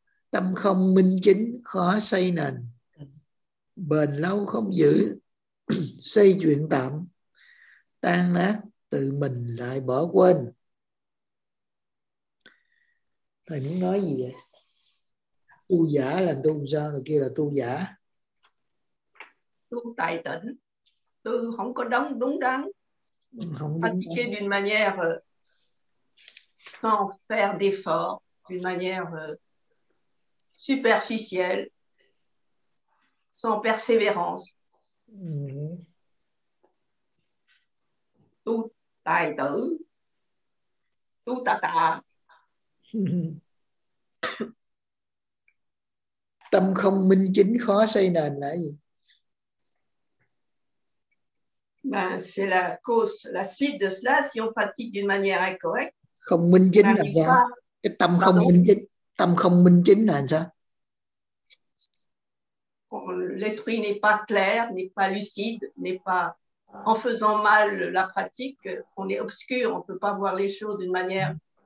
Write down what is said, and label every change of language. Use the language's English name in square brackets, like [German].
[Vietnamese] Tâm không minh chính, khó xây nền. bền lâu không giữ, xây chuyện tạm, tan nát tự mình lại bỏ quên. Thầy muốn nói gì vậy? Tu giả là tu sao, là kia là tu giả? Tu tài tỉnh, tu không có đóng đúng đắn. Không đúng đắn. [French] Pratiquer d'une manière sans faire d'effort, d'une manière superficielle, sans persévérance. [Vietnamese] Tu tài tử, tu tà tà. Tâm không minh chính khó xây nền là gì? [French] Ben, c'est la cause, la suite de cela, si on pratique d'une manière incorrecte. [Vietnamese] Không minh chính là sao? Cái tâm không minh chính, tâm không minh chính là sao? [French] L'esprit n'est pas clair, n'est pas lucide, n'est pas en faisant mal la pratique, on est obscur, on peut pas voir les choses d'une manière.